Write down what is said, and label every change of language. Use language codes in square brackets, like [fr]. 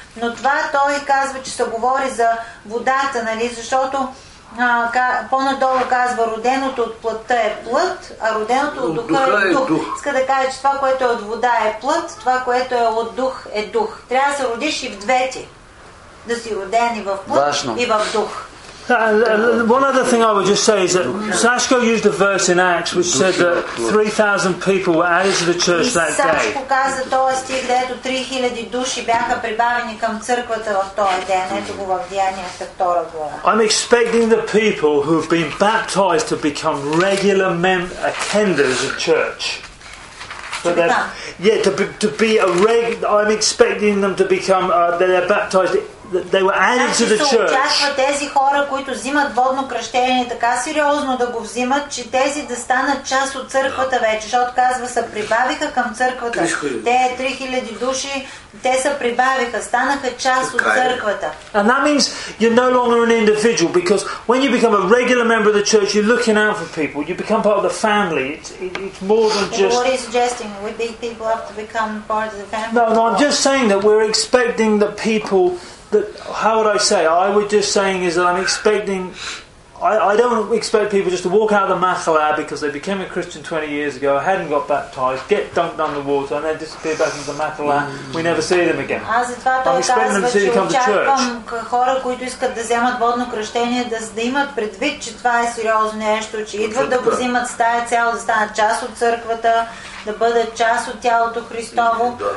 [bg] Но това той казва, че се говори за водата, нали? Защото по-надолу казва, роденото от плътта е плът, а роденото от духа е дух. Иска да кажа, че това, което е от вода е плът, това, което е от дух е дух. Трябва да се родиш и в двете. Да си роден и в плът, Важно. И в дух. [en] One other thing I would just say is that Sashko used a verse in Acts which said that 3,000 people were added to the church that day. [bg] Sashko каза тоя стих, дето 3000 души бяха прибавени към църквата в този ден. Ето го в Деяния 2 глава. [en] I'm expecting the people who have been baptized to become regular attenders of church. I'm expecting them to become they're baptized. They were added to the church. [bg] Очаква тези хора, които взимат водно кръщение, така сериозно да го взимат, че тези да станат част от църквата вече, защото казва, се прибавиха към църквата. Те 3000 души, те се прибавиха, станаха част от църквата. [en] And that means you're no longer an individual, because when you become a regular member of the church, you're looking out for people, you become part of the family. It's more than just... What are you suggesting? We big people have to become part of the family? No, I'm just saying that we're expecting the people... That, how would I say? I would just saying is that I'm expecting. I don't expect people just to walk out of the Machalab because they became a Christian 20 years ago, hadn't got baptized, get dunked under water, and then disappear back into the Machalab. We never see them again. I'm expecting them to see them come to church. [bg] Хора, които искат да вземат водно кръщение, да имат предвид, че това е сериозно нещо, че идват да го взимат с тая цяло, да станат част от църквата, да бъдат част от тялото Христово.